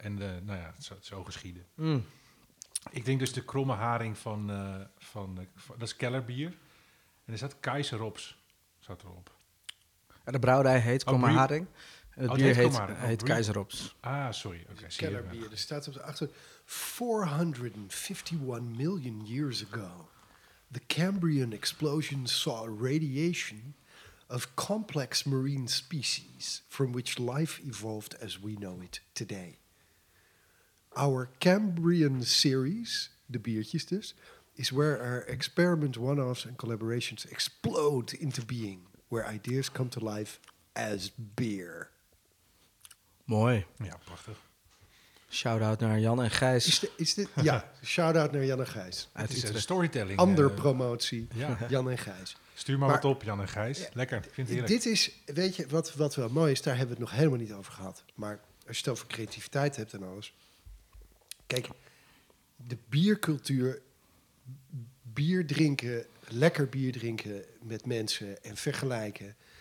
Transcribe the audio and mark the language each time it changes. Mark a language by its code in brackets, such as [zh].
[nl] En zo geschieden. Mm. Ik denk dus de kromme haring van dat is kellerbier. En er zat Keizerops, zat erop. En de brouwerij heet kromme haring. En het bier heet Keizerops. Ah, sorry. Okay, kellerbier, er staat op de achtergrond. [en] 451 million years ago, the Cambrian explosion saw radiation of complex marine species from which life evolved as we know it today. Our Cambrian series, [nl] de biertjes dus, [en] is where our experiment one-offs and collaborations explode into being, where ideas come to life as beer. [nl] Mooi. Ja, prachtig. Shout-out naar Jan en Gijs. Ja, shout-out naar Jan en Gijs. Het is een storytelling. Ander promotie, ja. Jan en Gijs. Stuur maar wat op, Jan en Gijs. Lekker, ik vind het heerlijk. Dit is, weet je, wat wel mooi is, daar hebben we het nog helemaal niet over gehad. Maar als je het over creativiteit hebt en alles. Kijk, de biercultuur, bier drinken, lekker bier drinken met mensen en vergelijken.